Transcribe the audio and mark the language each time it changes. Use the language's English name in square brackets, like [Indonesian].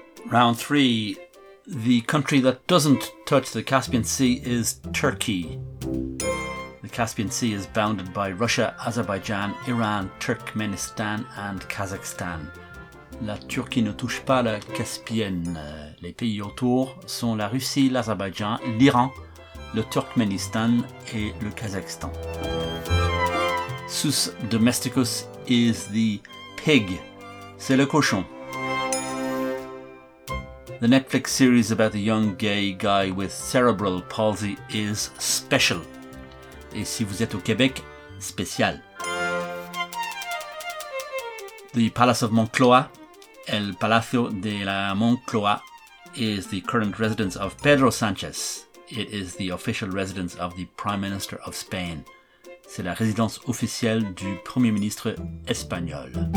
[English] Round 3. The country that doesn't touch the Caspian Sea is Turkey. The Caspian Sea is bounded by Russia, Azerbaijan, Iran, Turkmenistan and Kazakhstan. [French] La Turquie ne touche pas la Caspienne. Les pays autour sont la Russie, l'Azerbaïdjan, l'Iran, le Turkmenistan et le Kazakhstan. [English] Sus domesticus is the pig. [French] C'est le cochon. [English] The Netflix series about the young gay guy with cerebral palsy is Special. [French] Et si vous êtes au Québec, spécial. [English] The Palace of Moncloa, El Palacio de la Moncloa, is the current residence of Pedro Sanchez. It is the official residence of the Prime Minister of Spain. [French] C'est la résidence officielle du Premier ministre espagnol.